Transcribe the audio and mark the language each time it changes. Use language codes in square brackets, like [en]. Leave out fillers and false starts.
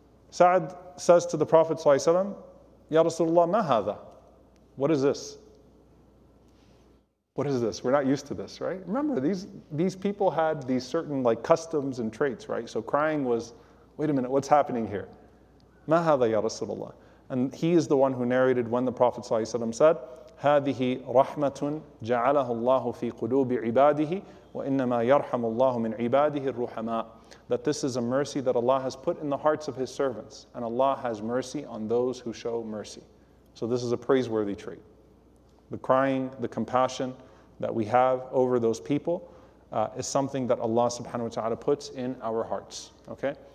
[en] Sa'd says to the Prophet ﷺ, [ar] Ya Rasulullah, ma hadha? [en] What is this? What is this? We're not used to this, right? Remember, these people had these certain like customs and traits, right? So crying was, wait a minute, what's happening here? [ar] مَا هَذَا يَا رَسُولَ اللَّهِ. [en] And he is the one who narrated when the Prophet ﷺ said, [ar] هَذِهِ رَحْمَةٌ جَعَلَهُ اللَّهُ فِي قُلُوبِ عِبَادِهِ وَإِنَّمَا يَرْحَمُ اللَّهُ مِنْ عِبَادِهِ الرُّحَمَاءِ. [en] That this is a mercy that Allah has put in the hearts of his servants, and Allah has mercy on those who show mercy. So this is a praiseworthy trait. The crying, the compassion that we have over those people is something that Allah subhanahu wa ta'ala puts in our hearts, okay?